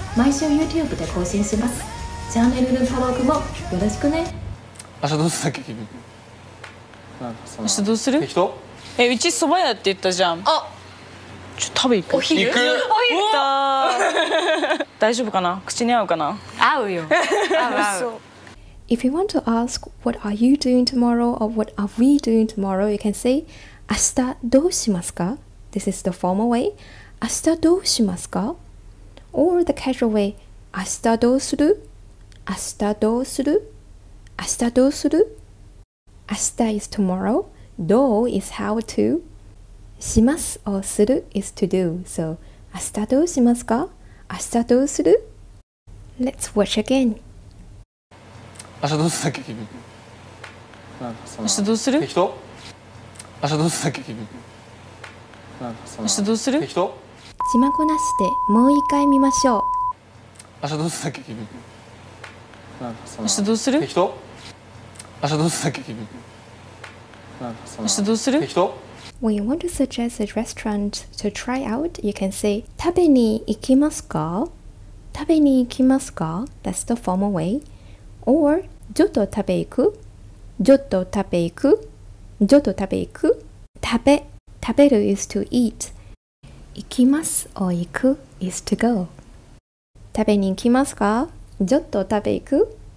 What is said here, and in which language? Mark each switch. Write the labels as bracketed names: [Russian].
[Japanese] 毎週 YouTube で更新します。チャンネルの登録もよろしくね。明日どうするんだっけ。明日どうする。適当。え、うち蕎麦屋って言ったじゃん。あ、ちょっと食べ行く。お昼行く。お昼だ。大丈夫かな、口に合うかな。合うよ。合う合う。 [English] If you want to ask what are you doing tomorrow or what are we doing tomorrow, you can say [Japanese] 明日どうしますか? [English] This is the formal way. [Japanese] 明日どうしますか? [English] Or the casual way. [Japanese] 明日どうする?明日どうする?明日どうする? [English] 明日 is tomorrow. どう is how to. します or する is to do. [Japanese] So 明日どうしますか? 明日どうする? [English] Let's watch again. [Japanese] 明日どうするだけ君。明日どうする？適当。明日どうするだけ君。明日どうする？適当。字幕なしでもう一回見ましょう。明日どうするだけ君。明日どうする？適当。明日どうするだけ君。明日どうする？適当。 [English] When you want to suggest a restaurant to try out, you can say [Japanese] 食べに行きますか？食べに行きますか？ [English] That's the formal way. [Japanese] Or, ちょっと食べ行く、ちょっと食べ行く、ちょっと食べ行く。 [English] 食べ、食べる is to eat. 行きます or 行く is to go. [Japanese] 食べに行きますか、ちょっと食べ行く。